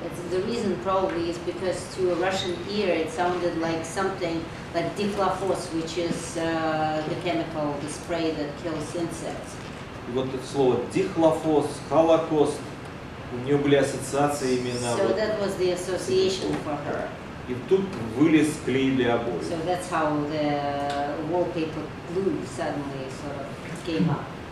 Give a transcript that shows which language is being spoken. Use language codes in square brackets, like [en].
[en] The reason probably is because to a Russian ear it sounded like something like dichlofos, which is the chemical, the spray that kills insects. [ru] И вот это слово дихлофос, холокост, у нее были ассоциации именно... [en] So that was the association for her. [ru] И тут вылез клей для обоев. [en] So that's how the wallpaper glue suddenly sort of came up.